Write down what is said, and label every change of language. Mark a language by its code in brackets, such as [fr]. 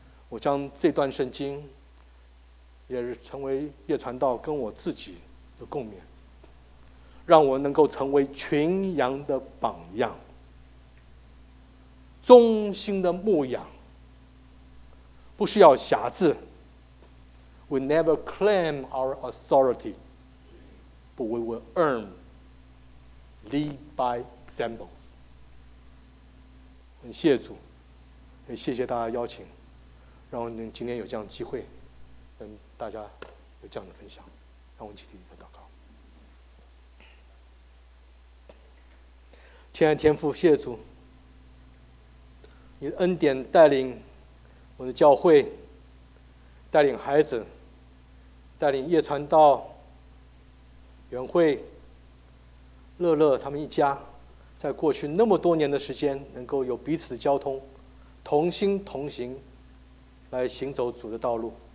[zh] 我将这段圣经也是成为叶传道跟我自己的共勉，让我能够成为群羊的榜样，忠心的牧养，不需要辖制。 [en] We never claim our authority, but we will earn, lead by example. [zh] 很谢主，也谢谢大家邀请，让我们今天有这样的机会跟大家有这样的分享，让我们一起祷告。亲爱的天父，谢主你的恩典带领我的教会，带领孩子，带领叶传道、袁慧、乐乐他们一家，在过去那么多年的时间能够有彼此的交通，同心同行来行走主的道路。